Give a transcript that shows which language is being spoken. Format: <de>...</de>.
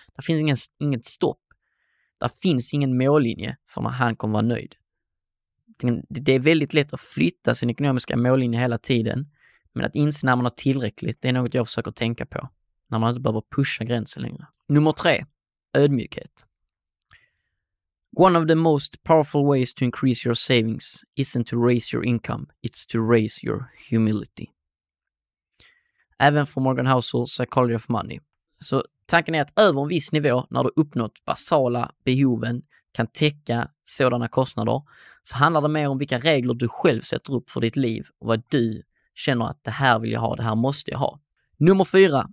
<sv>Där finns inget stopp. Där finns ingen mållinje för när han kommer vara nöjd. Det är väldigt lätt att flytta sin ekonomiska mållinje hela tiden. Men att inse när man har tillräckligt, det är något jag försöker tänka på. När man inte behöver pusha gränsen längre. Nummer 3. Ödmjukhet.</sv> <en>One of the most powerful ways to increase your savings isn't to raise your income, it's to raise your humility.</en> <sv>Även för Morgan Housel, Psychology of Money. Så tanken är att över en viss nivå, när du uppnått basala behoven, kan täcka sådana kostnader, så handlar det mer om vilka regler du själv sätter upp för ditt liv och vad du känner att det här vill jag ha, det här måste jag ha. Nummer 4.</sv>